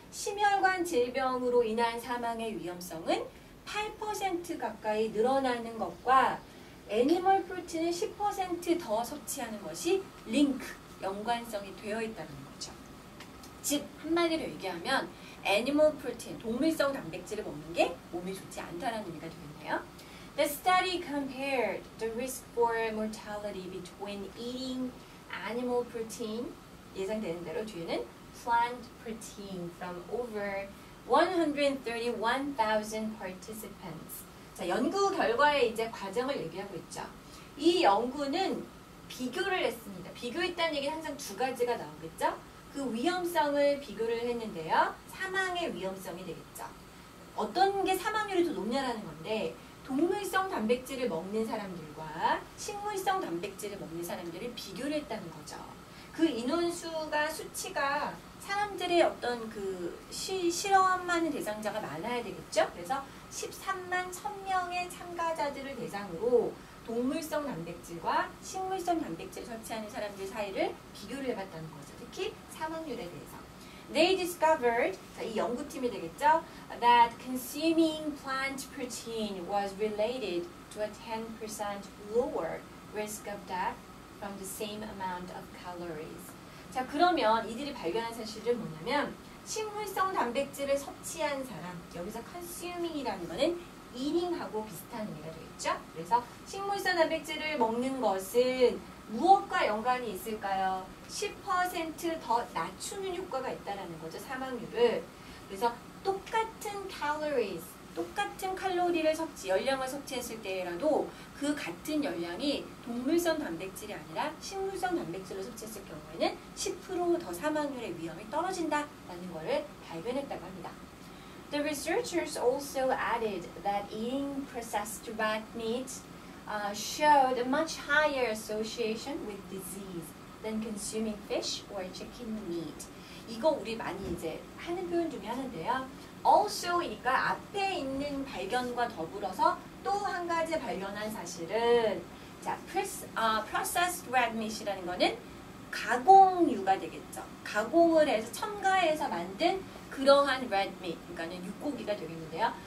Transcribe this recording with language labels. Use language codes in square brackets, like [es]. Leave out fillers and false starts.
[ko] 심혈관 질병으로 인한 사망의 위험성은 8% 가까이 늘어나는 것과 애니멀 프로틴을 10% 더 섭취하는 것이 링크, 연관성이 되어 있다는 거죠. 즉 한마디로 얘기하면 애니멀 프로틴, 동물성 단백질을 먹는 게 몸에 좋지 않다라는 의미가 되겠네요. [en] The study compared the risk for mortality between eating animal protein, [ko] 예상되는 대로 뒤에는 [en] plant protein from over 131,000 participants. [ko] 자, 연구 결과의 이제 과정을 얘기하고 있죠. 이 연구는 비교를 했습니다. 비교했다는 얘기는 항상 두 가지가 나오겠죠. 그 위험성을 비교를 했는데요. 사망의 위험성이 되겠죠. 어떤 게 사망률이 더 높냐라는 건데 동물성 단백질을 먹는 사람들과 식물성 단백질을 먹는 사람들을 비교를 했다는 거죠. 그 인원수가 수치가 사람들의 어떤 그 실험하는 대상자가 많아야 되겠죠. 그래서 13만 1000명의 참가자들을 대상으로 동물성 단백질과 식물성 단백질 섭취하는 사람들 사이를 비교를 해봤다는 거죠. 특히 사망률에 대해서. [en] They discovered, [ko] 자, 이 연구팀이 되겠죠. [en] That consuming plant protein was related to a 10% lower risk of death from the same amount of calories. [ko] 자, 그러면 이들이 발견한 사실은 뭐냐면 식물성 단백질을 섭취한 사람, 여기서 consuming이라는 것은 eating하고 비슷한 의미가 되겠죠. 그래서 식물성 단백질을 먹는 것은 무엇과 연관이 있을까요? 10% 더 낮추는 효과가 있다는 거죠, 사망률을. 그래서 똑같은 calories, 똑같은 칼로리를 섭취, 열량을 섭취했을 때라도 그 같은 열량이 동물성 단백질이 아니라 식물성 단백질로 섭취했을 경우에는 10% 더 사망률의 위험이 떨어진다라는 것을 발견했다고 합니다. [en] The researchers also added that eating processed rat meat showed a much higher association with disease than consuming fish or chicken meat. [ko] 이거 우리 많이 이제 하는 표현 중에 하는데요. Also, 그러니까 앞에 있는 발견과 더불어서 또 한 가지 발견한 사실은 자, [en] processed rat meat [ko] 이라는 거는 가공유가 되겠죠. 가공을 해서 첨가해서 만든 그러한 red meat, 그러니까는 육고기가 되겠는데요.